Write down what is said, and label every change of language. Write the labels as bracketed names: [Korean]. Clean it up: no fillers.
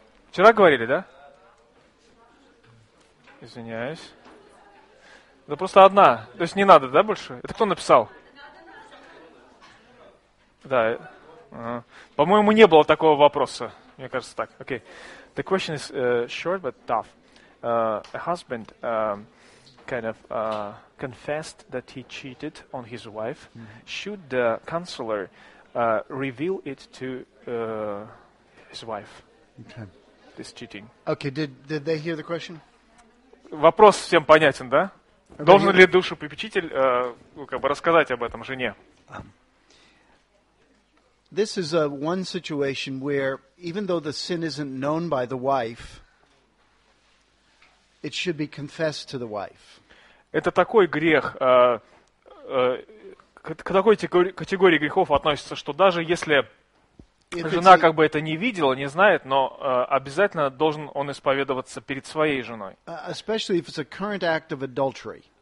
[Russian] Вчера говорили, да? Извиняюсь. Да просто одна. То есть не надо, да, больше? Это кто написал? Да. По-моему, не было такого вопроса. Мне кажется, так. Окей. [English] The question is short but tough. A husband confessed that he cheated on his wife. Mm-hmm. Should the counselor reveal it to his wife? Okay. This cheating. Okay. Did they hear the question? [Russian] Вопрос всем понятен, да? Должен ли душепопечитель рассказать об этом жене? [English] This is a one situation where, even though the sin isn't known by the wife, it should be confessed to the wife. [Russian] Это такой грех, к такой категории грехов относится, что даже если жена как бы это не видела, не знает, но обязательно должен он исповедоваться перед своей женой. [English] Especially if it's a current act of adultery.